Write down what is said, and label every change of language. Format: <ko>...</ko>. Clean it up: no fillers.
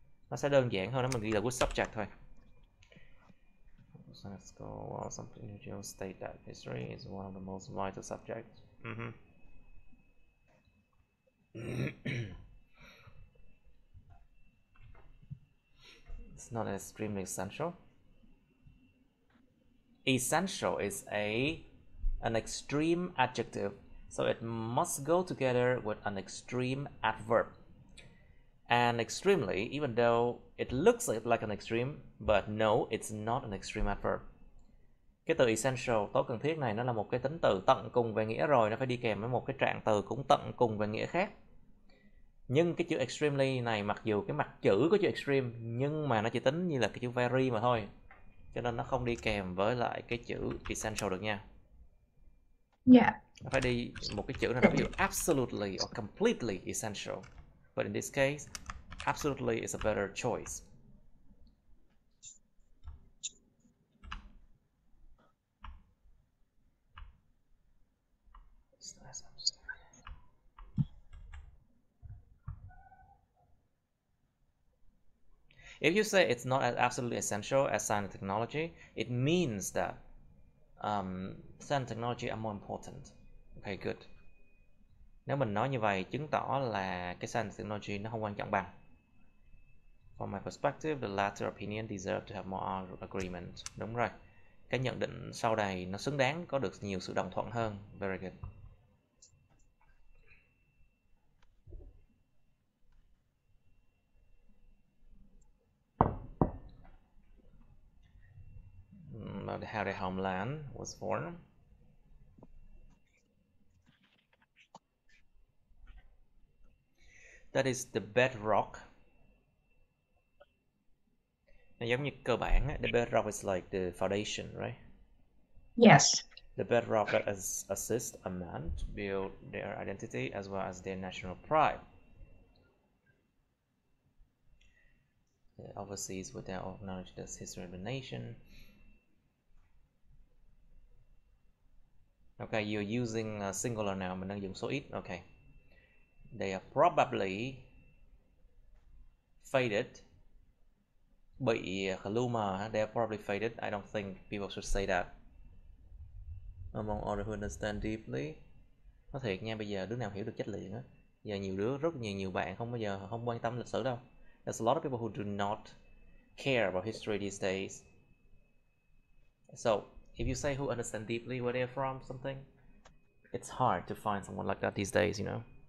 <vi>Nó sẽ đơn giản hơn nếu mình ghi là</vi> <en>which subject</en> <vi>thôi.</vi> <en>So let's go. Well, some individuals state that history is one of the most vital subjects. It's not extremely essential. Essential is an extreme adjective, so it must go together with an extreme adverb. And extremely, even though it looks like an extreme, but no, it's not an extreme adverb.</en> <vi>Cái từ essential, tối cần thiết này, nó là một cái tính từ tận cùng về nghĩa rồi, nó phải đi kèm với một cái trạng từ cũng tận cùng về nghĩa khác. Nhưng cái chữ extremely này, mặc dù cái mặt chữ có chữ extreme, nhưng mà nó chỉ tính như là cái chữ very mà thôi. Cho nên nó không đi kèm với lại cái chữ essential được nha. Nó phải đi một cái chữ nào đó, ví dụ</vi> <en>absolutely or completely essential. But in this case, absolutely is a better choice. If you say it's not as absolutely essential as science and technology, it means that science and technology are more important. Okay, good.</en> <vi>Nếu mình nói như vậy chứng tỏ là cái science technology nó không quan trọng bằng.</vi> <en>From my perspective, the latter opinion deserve to have more agreement.</en> <vi>Đúng rồi. Cái nhận định sau đây nó xứng đáng có được nhiều sự đồng thuận hơn.</vi> <en>Very good. About how the homeland was formed. That is the bedrock.</en> <vi>Nó giống như cơ bản á,</vi> <en>the bedrock is like the foundation, right? Yes. The bedrock that assists a man to build their identity as well as their national pride. The overseas without acknowledging the history of the nation. Okay, you're using a singular now,</en> <vi>mình đang dùng số ít,</vi> <en>okay. They are probably faded. Bị luma, they are probably faded. I don't think people should say that. Among all who understand deeply.</en> <vi>Nói thiệt nha, bây giờ đứa nào hiểu được chất liền á. Giờ nhiều đứa, rất nhiều nhiều bạn không bao giờ không quan tâm lịch sử đâu.</vi> <en>There's a lot of people who do not care about history these days. So, if you say who understand deeply where they are from, something, it's hard to find someone like that these days, you know.</en>